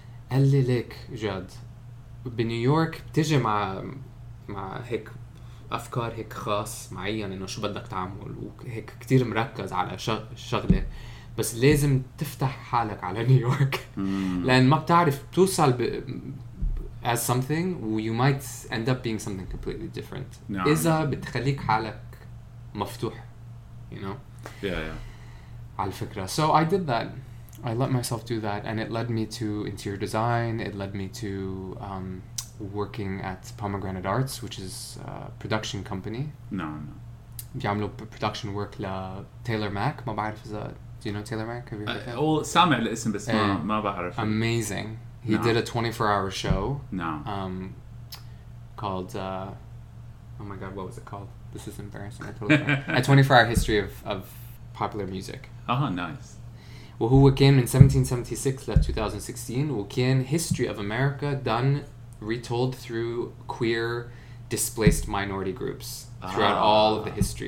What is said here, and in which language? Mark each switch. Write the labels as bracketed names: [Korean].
[Arabic] قال لي ليك جاد بنيويورك بتجي مع هيك أفكار هيك خاص معين إنه شو بدك تعمل وهيك كتير مركز على شغلة, بس لازم تفتح حالك على نيويورك لأن ما بتعرف توصل [English] as something [Arabic] و [English] you might end up being something completely different. [Arabic] نعم. إذا بتخليك حالك مفتوح [English] you know. Yeah. [Arabic] على الفكرة [English] so I did that. I let myself do that, and it led me to interior design. It led me to working at Pomegranate Arts, which is a production company. No. [Arabic] بيعملوا [English] production work ل Taylor Mack. [Arabic] ما بعرف إذا [English] do you know Taylor Mack? Have you heard of him? [Arabic] Well, سامع الاسم بس ما بعرف. [English] Amazing. He did a 24-hour show. No. Called oh my God, what was it called? This is embarrassing. I totally forgot. A 24-hour history of popular music. Uh-huh, nice. Well, who came in 1776 to 2016? Well, can history of America done retold through queer displaced minority groups throughout all of the history?